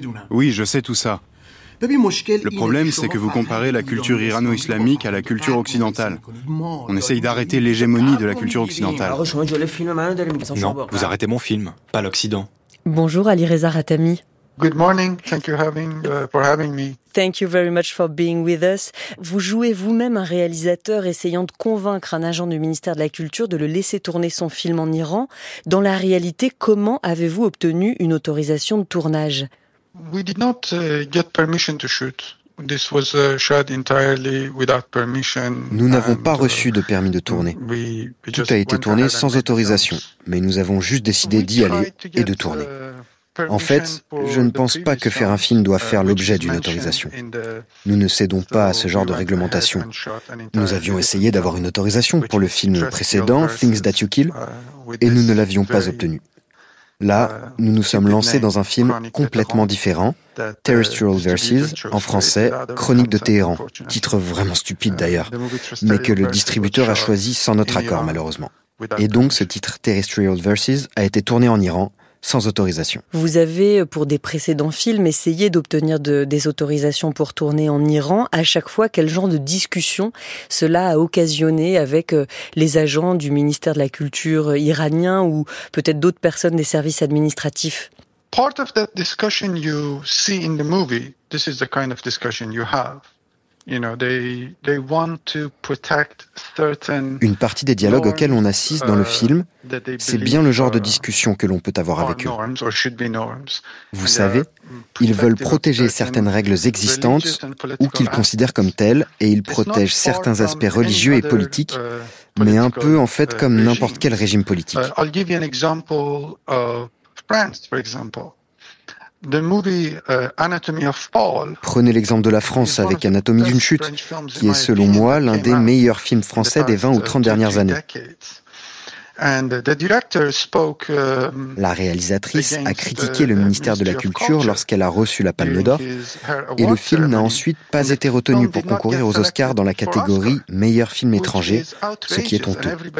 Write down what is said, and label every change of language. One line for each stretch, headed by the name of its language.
French: Oui, je sais tout ça. Le problème, c'est que vous comparez la culture irano-islamique à la culture occidentale. On essaye d'arrêter l'hégémonie de la culture occidentale. Non, vous arrêtez mon film, pas l'Occident. Bonjour Alireza Ratami.
English: Good morning. Thank you for having me. Thank you very much for being with us.
French: Vous jouez vous-même un réalisateur essayant de convaincre un agent du ministère de la Culture de le laisser tourner son film en Iran. Dans la réalité, comment avez-vous obtenu une autorisation de tournage?
English: We did not get permission to shoot. This was shot entirely without permission.
French: Nous n'avons pas reçu de permis de tourner. Tout a été tourné sans autorisation, mais nous avons juste décidé d'y aller et de tourner. En fait, je ne pense pas que faire un film doit faire l'objet d'une autorisation. Nous ne cédons pas à ce genre de réglementation. Nous avions essayé d'avoir une autorisation pour le film précédent, Things That You Kill, et nous ne l'avions pas obtenue. Là, nous nous sommes lancés dans un film complètement différent, Terrestrial Verses, en français, Chronique de Téhéran, titre vraiment stupide d'ailleurs, mais que le distributeur a choisi sans notre accord, malheureusement. Et donc, ce titre, Terrestrial Verses, a été tourné en Iran, sans autorisation. Vous avez, pour des précédents films, essayé d'obtenir des autorisations pour tourner en Iran. À chaque fois, quel genre de discussion cela a occasionné avec les agents du ministère de la Culture iranien ou peut-être d'autres personnes des services administratifs?
English: Part of that discussion you see in the movie, this is the kind of discussion you have.
French: Une partie des dialogues auxquels on assiste dans le film, c'est bien le genre de discussion que l'on peut avoir avec eux. Vous savez, ils veulent protéger certaines règles existantes ou qu'ils considèrent comme telles, et ils protègent certains aspects religieux et politiques, mais un peu en fait comme n'importe quel régime politique.
English: I'll give you an example of France, for example. The movie, Anatomy of Fall,
French: prenez l'exemple de la France avec Anatomie d'une chute, qui est selon moi l'un des meilleurs films français des 20 ou 30 dernières années.
English: And the director spoke,
French: la réalisatrice a critiqué le ministère de la Culture lorsqu'elle a reçu la Palme d'Or, et le film n'a ensuite pas été retenu pour concourir aux Oscars dans la catégorie meilleur film étranger, ce qui est honteux.